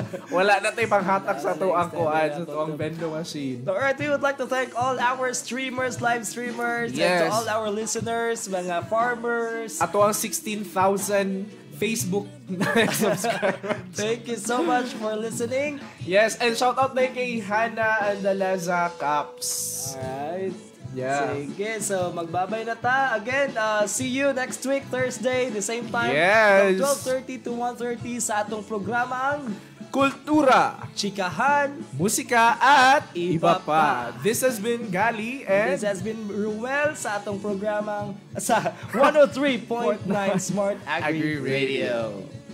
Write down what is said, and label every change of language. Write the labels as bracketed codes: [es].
[tl] Wala na tayo panghatak sa tuwang Kuan, sa tuwang vending machine. [en] So, alright, we would like to thank all our streamers, live streamers, yes, and to all our listeners, [tl] mga [en] farmers. [tl] At tuwang [en] 16,000 Facebook subscribers. Thank you so much for listening. Yes, and shout out like [tl] kay [en] Hannah and the Leza Caps. Alright. Yeah. [ceb] Sige, so magbabay na ta. [en] Again, see you next week, Thursday, the same time. Yes. From 12:30 to 1:30 [ceb] sa atong programa ang Kultura, Chikahan, [tl] Musika, at iba pa. [en] This has been Gali and this has been Ruel [ceb] sa atong programa sa [en] 103.9 Smart Agri Radio.